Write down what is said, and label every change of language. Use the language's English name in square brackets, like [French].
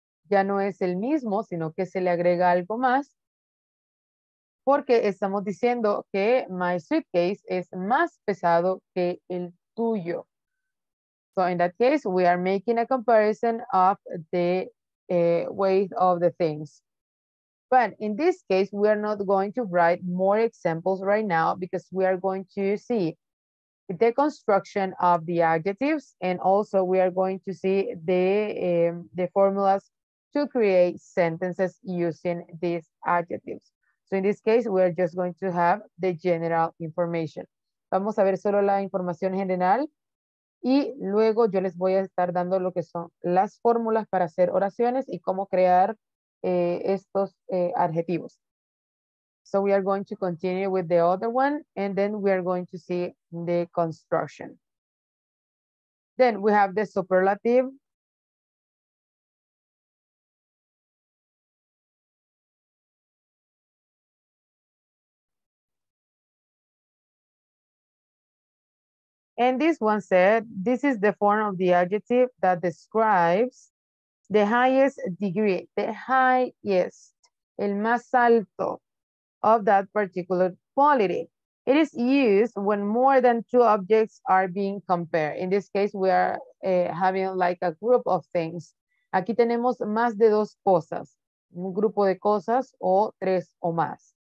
[Spanish] Ya no es el mismo, sino que se le agrega algo más. Porque estamos diciendo que [English] my suitcase [Spanish] es más pesado que el tuyo. [English] So in that case, we are making a comparison of the weight of the things. But in this case, we are not going to write more examples right now because we are going to see the construction of the adjectives. And also we are going to see the formulas to create sentences using these adjectives. So in this case, we're just going to have the general information. [Spanish] Vamos a ver solo la información general y luego yo les voy a estar dando lo que son las fórmulas para hacer oraciones y cómo crear estos adjetivos. [English] So we are going to continue with the other one and then we are going to see the construction. Then we have the superlative. And this one said, this is the form of the adjective that describes the highest degree, the highest, [Spanish] el más alto [English] of that particular quality. It is used when more than two objects are being compared. In this case, we are having like a group of things. [Spanish] Aquí tenemos más de dos cosas, un grupo de cosas o tres o más.